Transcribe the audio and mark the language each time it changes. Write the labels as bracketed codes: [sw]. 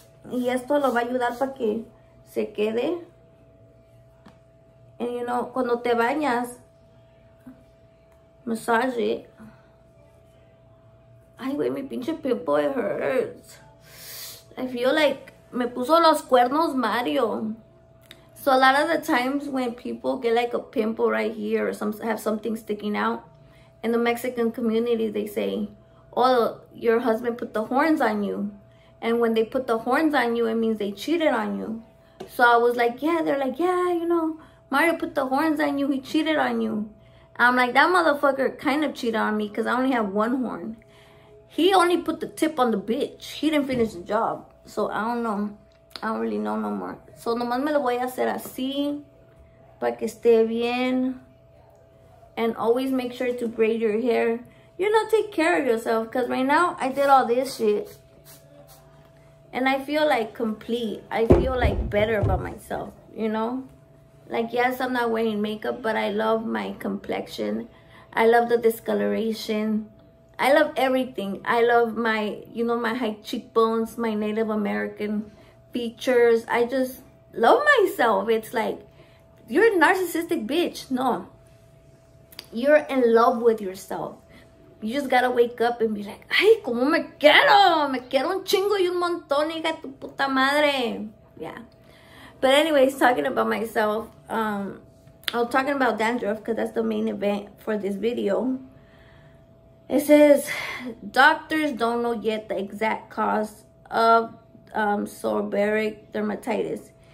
[es] Y esto lo va a ayudar para que se quede. [en] And you know, [es] cuando te bañas, [en] massage it. [es] Ay, güey, mi pinche pimple, [en] it hurts. I feel like [es] me puso los cuernos Mario. [en] So a lot of the times when people get like a pimple right here or have something sticking out, in the Mexican community, they say, oh, your husband put the horns on you. And when they put the horns on you, it means they cheated on you. So I was like, yeah, they're like, yeah, you know, Mario put the horns on you, he cheated on you. I'm like, that motherfucker kind of cheated on me because I only have one horn. He only put the tip on the bitch. He didn't finish the job. So I don't know. I don't really know no more. [es] So nomás me lo voy a hacer así para que esté bien. [en] And always make sure to braid your hair. You know, take care of yourself because right now I did all this shit. And I feel like complete. I feel like better about myself, you know? Like, yes, I'm not wearing makeup, but I love my complexion. I love the discoloration. I love everything. I love my, you know, my high cheekbones, my Native American features. I just love myself. It's like, you're a narcissistic bitch. No. You're in love with yourself. You just gotta wake up and be like, [es] ay, como me quiero. Me quiero un chingo y un montón, hija tu puta madre. [en] Yeah. But anyways, talking about myself, I was talking about dandruff because that's the main event for this video. It says, doctors don't know yet the exact cause of seborrheic dermatitis.